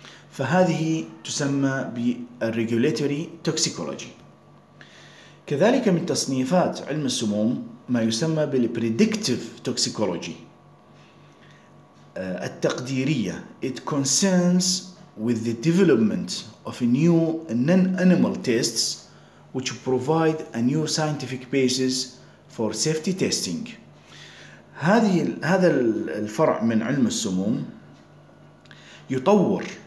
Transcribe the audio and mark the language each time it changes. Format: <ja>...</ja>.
<ar>فهذه تسمى بالregulatory toxicology. كذلك من تصنيفات علم السموم ما يسمى بالpredictive toxicology التقديرية.</ar> <en>It concerns with the development of new non-animal tests which provide a new scientific basis for safety testing.</en> <ar>هذا الفرع من علم السموم يطور</ar>